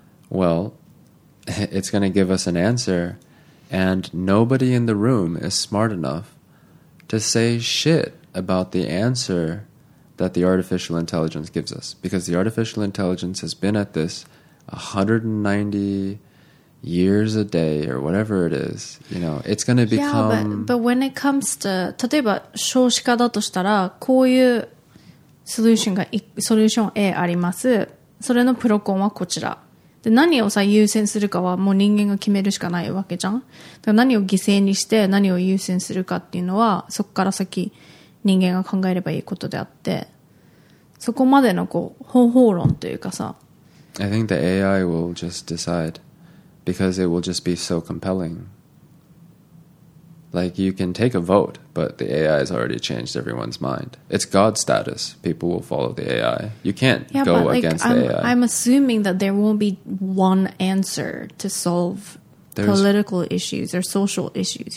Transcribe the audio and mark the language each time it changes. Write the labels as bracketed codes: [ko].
[en] Well, it's going to give us an answer. And nobody in the room is smart enough to say shit about the answer that the artificial intelligence gives us. Because the artificial intelligence has been at this 190 years a day or whatever it is. You know, it's going to become... Yeah, but when it comes to... [ja] 例えば少子化だとしたら、こういうソリューション A あります。それのプロコンはこちら。で何をさ優先するかはもう人間が決めるしかないわけじゃん。だから何を犠牲にして何を優先するかっていうのはそこから先人間が考えればいいことであって、そこまでのこう方法論というかさ。 [en] I think the AI will just decide because it will just be so compelling. Like you can take a vote, but the AI has already changed everyone's mind. It's God status. People will follow the AI. You can't go against the AI. I'm assuming that there won't be one answer to solve political issues or social issues.